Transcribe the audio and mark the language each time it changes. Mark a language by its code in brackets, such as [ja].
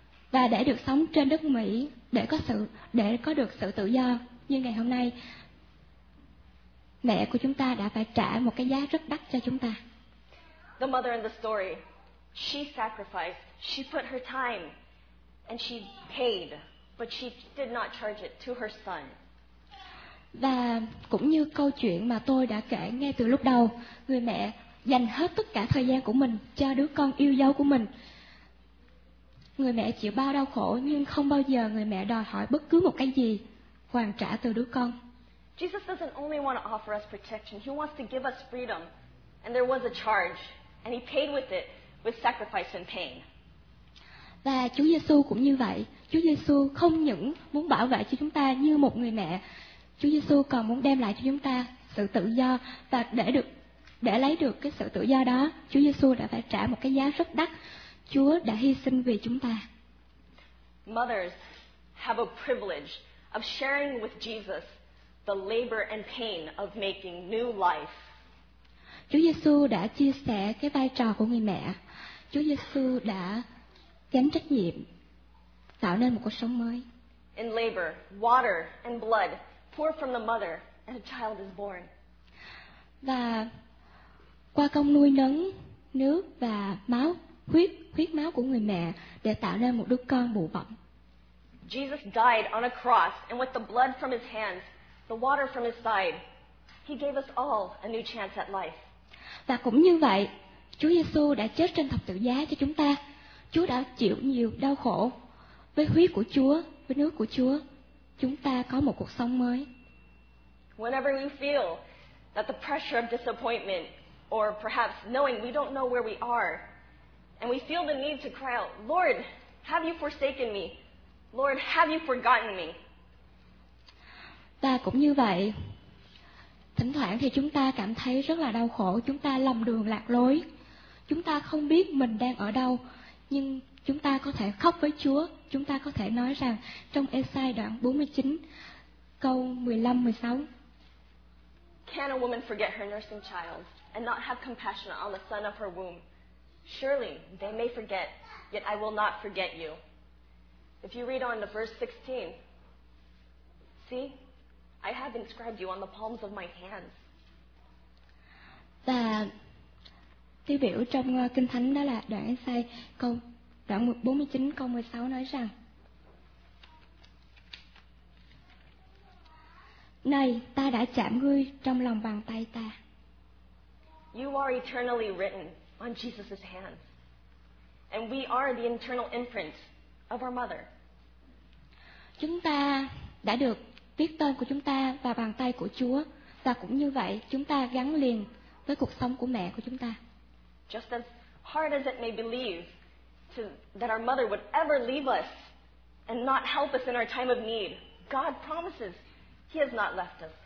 [vi] Và để được sống trên đất Mỹ, để có được sự tự do như ngày hôm nay, mẹ của chúng ta đã phải trả một cái giá rất đắt cho chúng ta. [en] The mother in the story, she sacrificed, she put her time and she paid, but she did not charge it to her son. [vi] Và cũng như câu chuyện mà tôi đã kể ngay từ lúc đầu, người mẹ dành hết tất cả thời gian của mình cho đứa con yêu dấu của mình. Người mẹ chịu bao đau khổ, nhưng không bao giờ người mẹ đòi hỏi bất cứ một cái gì hoàn trả từ đứa con. [en] Jesus doesn't only want to offer us protection. He wants to give us freedom. And there was a charge, and he paid with it with sacrifice and pain. [vi] Và Chúa Giêsu cũng như vậy. Chúa Giêsu không những muốn bảo vệ cho chúng ta như một người mẹ, Chúa Giêsu còn muốn đem lại cho chúng ta sự tự do, và để lấy được cái sự tự do đó, Chúa Giêsu đã phải trả một cái giá rất đắt. Chúa đã hy sinh vì chúng ta. [en] Mothers have a privilege of sharing with Jesus the labor and pain of making new life. [vi] Chúa Giêsu đã chia sẻ cái vai trò của người mẹ. Chúa Giêsu đã gánh trách nhiệm tạo nên một cuộc sống mới. [en] In labor, water and blood pour from the mother and a child is born. [vi] Và qua công nuôi nấng, nước và máu, huyết máu của người mẹ để tạo nên một đứa con bụ bẩm. [en] Jesus died on a cross and with the blood from his hands, the water from his side, he gave us all a new chance at life. [vi] Và cũng như vậy, Chúa Giêsu đã chết trên thập tự giá cho chúng ta. Chúa đã chịu nhiều đau khổ. Với huyết của Chúa, với nước của Chúa, chúng ta có một cuộc sống mới. [en] Whenever we feel that the pressure of disappointment or perhaps knowing we don't know where we are and we feel the need to cry out, Lord, have you forsaken me? Lord, have you forgotten me? [vi] Và cũng như vậy, thỉnh thoảng thì chúng ta cảm thấy rất là đau khổ, chúng ta lầm đường lạc lối. Chúng ta không biết mình đang ở đâu, nhưng chúng ta có thể khóc với Chúa, chúng ta có thể nói rằng trong Esai đoạn 49 câu 15 16. [en] Can a woman forget her nursing child and not have compassion on the son of her womb? Surely they may forget, yet I will not forget you. If you read on to verse 16, see, I have inscribed you on the palms of my hands. [vi] Và tiêu biểu trong Kinh Thánh đó là đoạn Esai câu đoạn 49 câu 16 nói rằng: Này, ta đã chạm ngươi trong lòng bàn tay ta. [en] You are eternally written on Jesus' hands. And we are the internal imprint of our mother. [vi] Chúng ta đã được viết tên của chúng ta vào bàn tay của Chúa, và cũng như vậy, chúng ta gắn liền với cuộc sống của mẹ của chúng ta. [en] Just as hard as it may believe to, that our mother would ever leave us and not help us in our time of need, God promises He has not left us.